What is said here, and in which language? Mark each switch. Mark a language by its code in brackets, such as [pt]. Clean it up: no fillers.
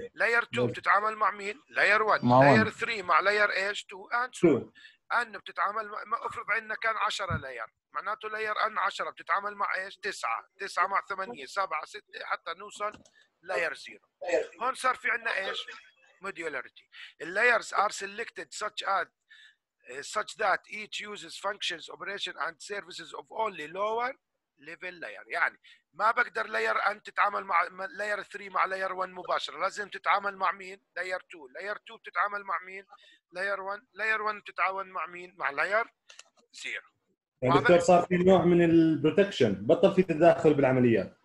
[ar] لاير 2 بتتعامل مع مين؟ لاير 1. لاير 3 مع لاير ايش؟ 2 اند 2 ان بتتعامل مع... ما افرض عندنا كان 10 لاير، معناته لاير ان 10 بتتعامل مع ايش؟ 9. 9 مع 8 7 6 حتى نوصل لاير 0. هون صار في عندنا ايش؟ modularity. [en] Layers are selected such as such that each uses functions, operation and services of only lower level layer. [ar] يعني ما بقدر layer أن تتعامل مع layer 3 مع layer 1 مباشرة، لازم تتعامل مع مين؟ layer 2. layer 2 بتتعامل مع مين؟ layer 1. layer 1 بتتعامل مع مين؟ مع layer 0. دكتور صار في نوع من البروتكشن، بطل في تداخل بالعمليات.